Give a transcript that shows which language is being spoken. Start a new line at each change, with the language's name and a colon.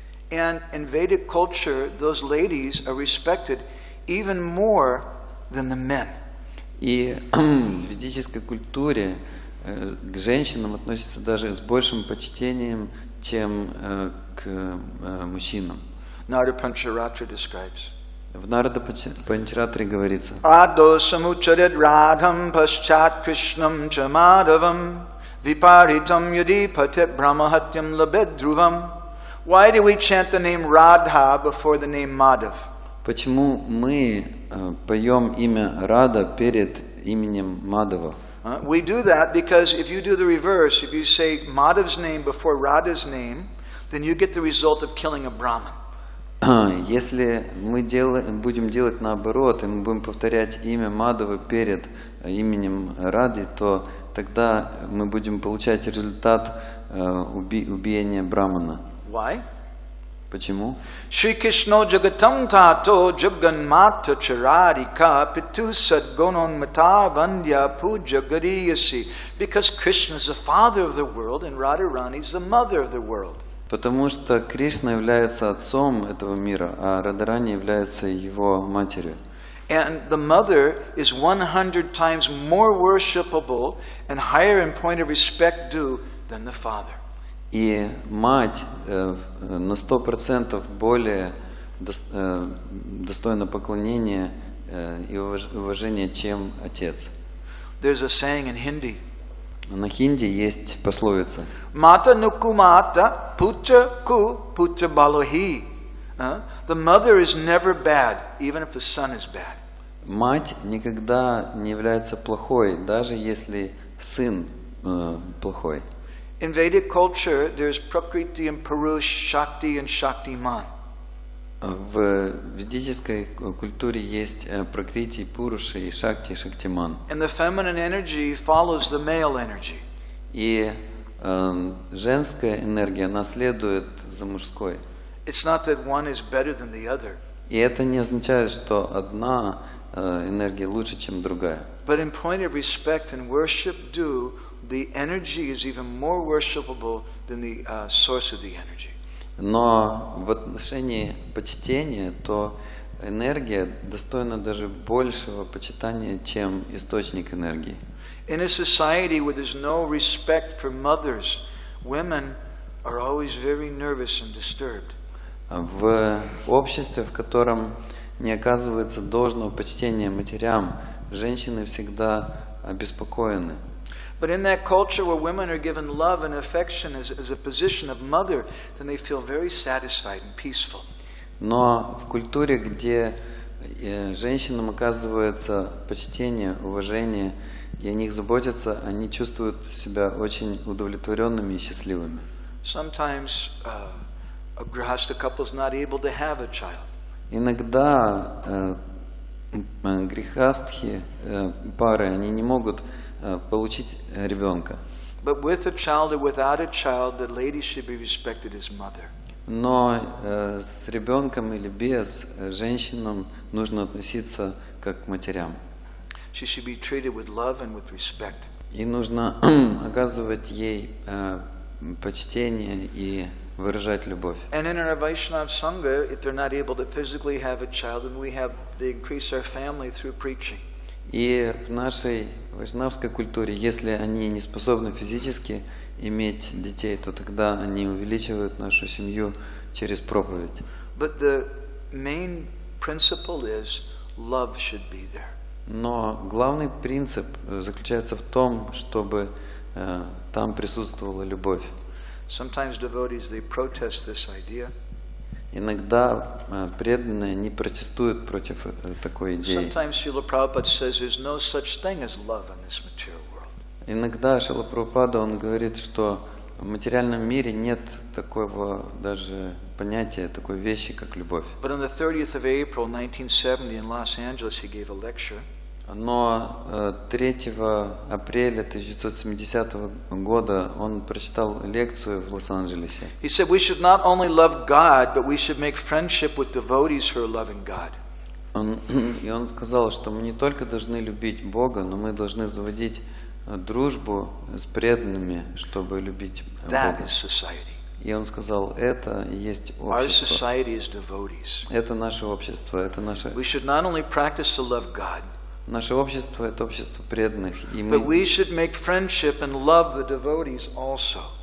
English: And in Vedic culture, those ladies are respected even more than the men.
Russian: И в ведической культуре к женщинам относятся даже с большим почтением, чем к мужчинам.
English: Narada Pancharatra describes.
Russian: В Нарада Панчаратре говорится.
Sanskrit: Адо самучарит радхам пасчат кришнам ча мадавам випаритам яди патит брамахатям лабет друвам.
English: Why do we chant the name Radha before the name Madhav?
Russian: Почему мы поем имя Рада перед именем Мадхава?
English: We do that because if you do the reverse, if you say Madhav's name before Radha's name, then you get the result of killing a Brahman.
Russian: Если мы будем делать наоборот, и мы будем повторять имя Мадхава перед именем Рады, то тогда мы будем получать результат убиения Брахмана.
English: Why?
Russian: Почему?
Sanskrit: Shri Krishna Jagatam Tato Jagan Mata Charadika Pitu Sad Gonon Mata Vandya Puja Gariyasi.
English: Because Krishna is the father of the world and Radharani is the mother of the world.
Russian: Потому что Кришна является отцом этого мира, а Радарани является его матерью.
English: And the mother is 100 times more worshipable and higher in point of respect due than the father.
Russian: И мать на 100% более достойна поклонения и уважения, чем отец.
English: There's a saying in Hindi.
Russian: На хинди есть пословица.
Hindi: Mata nukumata putra ku putra balohi.
English: The mother is never bad, even if the son is bad.
Russian: Мать никогда не является плохой, даже если сын плохой.
English: In Vedic culture, there's Prakriti and Purush, Shakti and Shaktiman.
Russian: В ведической культуре есть Пракрити, Пуруша и Шакти, Шактиман.
English: And the feminine energy follows the male energy.
Russian: И женская энергия наследует за мужской.
English: It's not that one is better than the other.
Russian: И это не означает, что одна энергия лучше, чем другая.
English: But in point of respect and worship due, the energy is even more worshipable than the source of the energy.
Russian: Но в отношении почтения то энергия достойна даже большего почитания, чем источник энергии.
English: In a society where there's no respect for mothers, women are always very nervous and disturbed.
Russian: В обществе, в котором не оказывается должного почтения матерям, женщины всегда обеспокоены.
English: But in that culture where women are given love and affection as a position of mother, then they feel very satisfied and peaceful.
Russian: Но в культуре, где женщинам оказывается почтение, уважение, и о них заботятся, они чувствуют себя очень удовлетворенными и счастливыми.
English: Sometimes a grihastha couple is not able to have a child.
Russian: Иногда грихастхи пары, они не могут получить ребенка.
English: But with a child or without a child, the lady should be respected as mother.
Russian: Но с ребенком или без, женщинам нужно относиться как к матерям.
English: She should be treated with love and with respect.
Russian: И нужно оказывать ей почтение и выражать любовь.
English: And in our Vaishnava Sangha, if they're not able to physically have a child, then we have to increase our family through preaching.
Russian: И в нашей вайшнавской культуре, если они не способны физически иметь детей, то тогда они увеличивают нашу семью через проповедь.
English: But the main principle is love should be there.
Russian: Но главный принцип заключается в том, чтобы там присутствовала любовь.
English: Sometimes devotees, they protest this idea.
Russian: Иногда преданные не протестуют против такой идеи.
English: Sometimes Srila Prabhupada says there's no such thing as love in this material world.
Russian: Иногда Шрила Прабхупада он говорит, что в материальном мире нет такого даже понятия, такой вещи, как любовь.
English: But on the 30th of April 1970 in Los Angeles he gave a lecture.
Russian: Но 3 апреля 1970 года он прочитал лекцию в Лос-Анджелесе.
English: He said we should not only love God, but we should make friendship with devotees who are loving God.
Russian: И он сказал, что мы не только должны любить Бога, но мы должны заводить дружбу с преданными, чтобы любить Бога.
English: That is society.
Russian: И он сказал, это и есть общество.
English: Our society is devotees.
Russian: Это наше общество, это наше.
English: We should not only practice to love God.
Russian: Наше общество — это общество преданных. И
English: but we should make friendship and love the devotees also.